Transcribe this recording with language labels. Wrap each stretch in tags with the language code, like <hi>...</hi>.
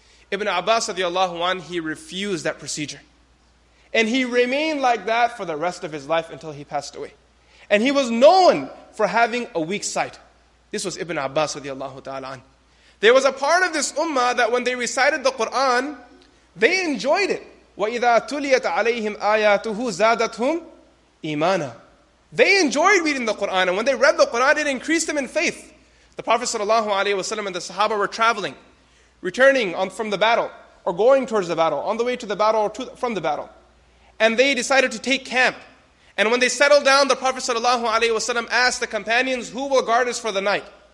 <en>Ibn Abbas radiallahu anhu, he refused that procedure. And he remained like that for the rest of his life until he passed away. And he was known for having a weak sight. This was Ibn Abbas radiallahu ta'ala anhu. There was a part of this ummah that when they recited the Quran, they enjoyed it.</en> <ar>وَإِذَا تُلِيَتْ عَلَيْهِمْ آيَاتُهُ زَادَتْهُمْ Imana.</ar> <en>They enjoyed reading the Quran, and when they read the Quran, it increased them in faith. The Prophet ﷺ and the Sahaba were traveling, returning from the battle, or going towards the battle, on the way to the battle, or from the battle. And they decided to take camp. And when they settled down, the Prophet ﷺ asked the companions, who will guard us for the night?</en>